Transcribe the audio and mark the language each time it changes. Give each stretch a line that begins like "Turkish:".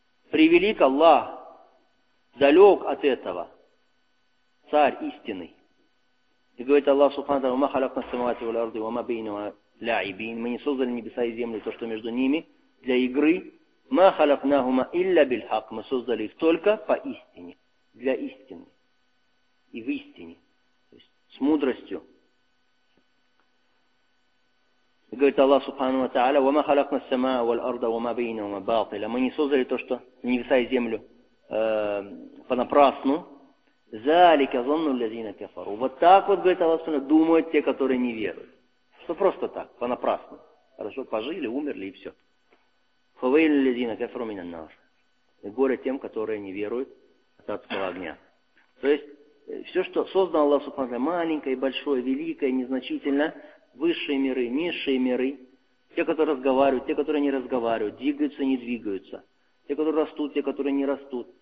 Russian: Превелик Аллах, далек от этого, царь истинный. И говорит Аллах Субхану ва Тааля,
Arabic: وَمَا خَلَقْنَا السَّمَوَاتِ وَالْأَرْضِ وَمَا بَيْنَهُمَا لاعبين.
Russian: Мы не создали небеса и землю, то, что между ними, для игры.
Arabic: ما خلقناهما إلا بالحق.
Russian: Мы создали их только по истине, для истины и в истине, то есть с мудростью. Говорит Аллах Субхану ва Тааля:
Arabic: وما خلقنا السماء والأرض وما بينهما باطلا.
Russian: Мы не создали то, что небеса и землю понапрасну.
Arabic: ذلك ظن الذين كفروا.
Russian: Вот так вот, говорит Аллах Субхану, думают те, которые не веруют. Что просто так, понапрасну. Хорошо, пожили, умерли и все.
Arabic: فويل الذين كفروا من النار.
Russian: Горе тем, которые не веруют от адского огня. То есть все, что создал Аллах Субхану ва Тааля, маленькое, большое, великое, незначительное, высшие миры, низшие миры, те, которые разговаривают, те, которые не разговаривают, двигаются, не двигаются, те, которые растут, те, которые не растут.